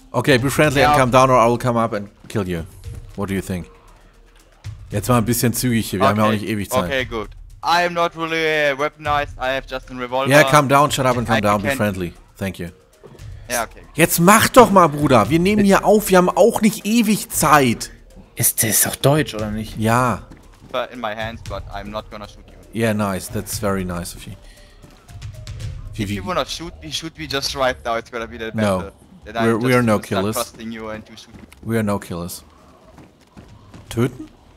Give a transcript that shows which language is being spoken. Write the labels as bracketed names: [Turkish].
[English] Okay, be friendly and come down or I will come up and kill you. What do you think? [German] Jetzt mal ein bisschen zügig hier, wir haben ja auch nicht ewig Zeit. [English] Okay, good. I am not really weaponized, I have just a revolver. Yeah, come down, shut up and come down, be friendly. Thank you. [German] Ja, okay. Jetzt mach doch mal, Bruder, wir nehmen hier auf, wir haben auch nicht ewig Zeit. Ist das auch Deutsch, oder nicht? Ja. [English] In my hands, but I'm not gonna shoot you. Yeah, nice, that's very nice of you. If you wanna shoot me, just right now, it's gonna be the better. No, we are no killers. We are no killers. Töten?